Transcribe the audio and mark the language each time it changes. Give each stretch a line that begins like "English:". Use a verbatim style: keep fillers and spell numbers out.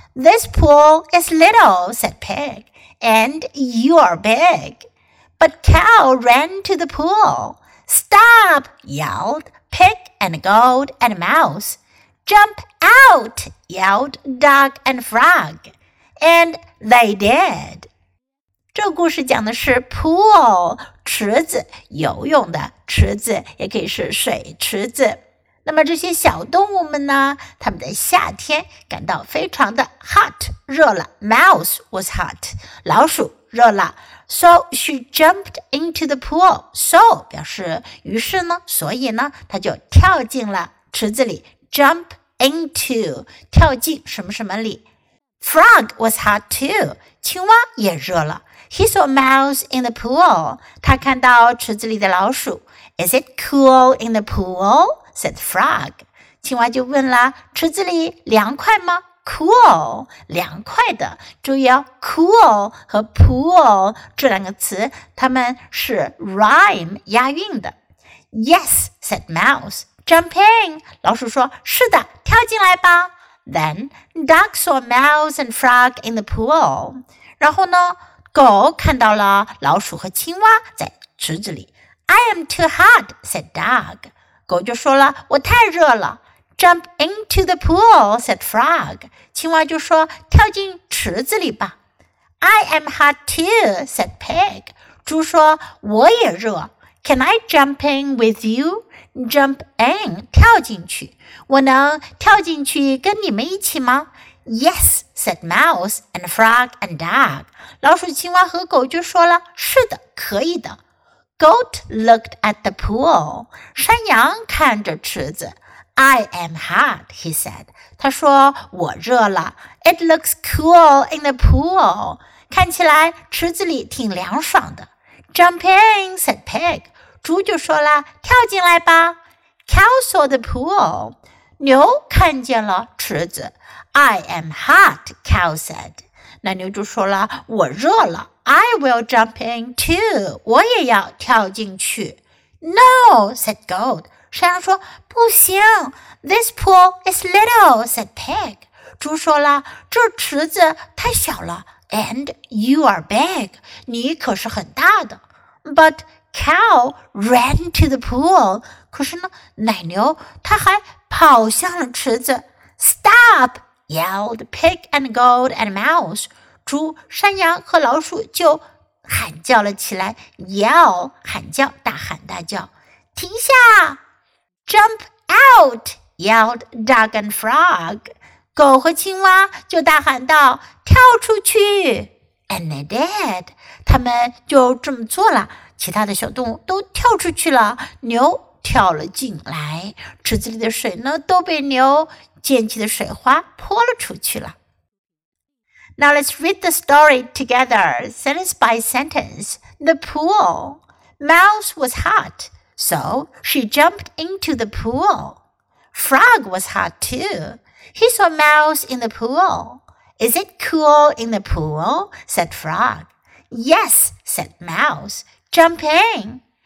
English: This pool is little, said Pig, and you are big. But Cow ran to the pool. Stop, yelled Pig and Goat and Mouse. Jump out, yelled Duck and Frog. And they did.
Chinese: 这故事讲的是 pool 池子，游泳的池子，也可以是水池子。那么这些小动物们呢，它们在夏天感到非常的 hot 热了。
English: Mouse was hot，
Chinese: 老鼠热了。
English: So she jumped into the pool.
Chinese: So 表示于是呢，所以呢，她就跳进了池子里。
English: Jump into
Chinese: 跳进什么什么里。
English: Frog was hot too.
Chinese: 青蛙也热了。
English: He saw Mouse in the pool.
Chinese: 他看到池子里的老鼠。
English: Is it cool in the pool? Said Frog.
Chinese: 青蛙就问了，池子里凉快吗？ Cool, 凉快的。注意哦 ,cool 和 pool 这两个词，它们是 rhyme 押韵的。
English: Yes, said Mouse. Jump in.
Chinese: 老鼠说，是的，跳进来吧。
English: Then, Duck saw Mouse and Frog in the pool.
Chinese: 然后呢，狗看到了老鼠和青蛙在池子里。
English: I am too hot, said Duck.
Chinese: 狗就说了，我太热了。
English: Jump into the pool, said Frog.
Chinese: 青蛙就说，跳进池子里吧。
English: I am hot too, said Pig.
Chinese: 猪说，我也热。
English: Can I jump in with you? Jump in,
Chinese: 跳进去。我能跳进去跟你们一起吗？
English: Yes, said Mouse and Frog and Duck.
Chinese: 老鼠、青蛙和狗就说了，是的，可以的。
English: Goat looked at the pool.
Chinese: 山羊看着池子。
English: I am hot, he said.
Chinese: 他说，我热了。
English: It looks cool in the pool.
Chinese: 看起来池子里挺凉爽的。
English: Jump in, said Pig.
Chinese: 猪就说了，跳进来吧。
English: Cow saw the pool.
Chinese: 牛看见了池子。
English: I am hot, Cow said.
Chinese: 那牛就说了，我热了。
English: I will jump in too.
Chinese: 我也要跳进去。
English: No, said Goat.
Chinese: 山羊说，不行。
English: This pool is little, said Pig.
Chinese: 猪说了，这池子太小了。
English: And you are big.
Chinese: 你可是很大的。
English: But Cow ran to the pool.
Chinese: 可是呢，奶牛它还跑向了池子。
English: Stop! yelled Pig and Goat and Mouse.
Chinese: 猪、山羊和老鼠就喊叫了起来。 Yell, 喊叫，大喊大叫。停下！
English: Jump out! Yelled Duck and Frog.
Chinese: 狗和青蛙就大喊道，跳出去！
English: And they did.
Chinese: 他们就这么做了。其他的小动物都跳出去了。牛跳了进来。池子里的水呢，都被牛溅起的水花泼了出去了。
English: Now let's read the story together, sentence by sentence. The pool. Mouse was hot, so she jumped into the pool. Frog was hot too. He saw Mouse in the pool. Is it cool in the pool? Said Frog. Yes, said Mouse. Jump in.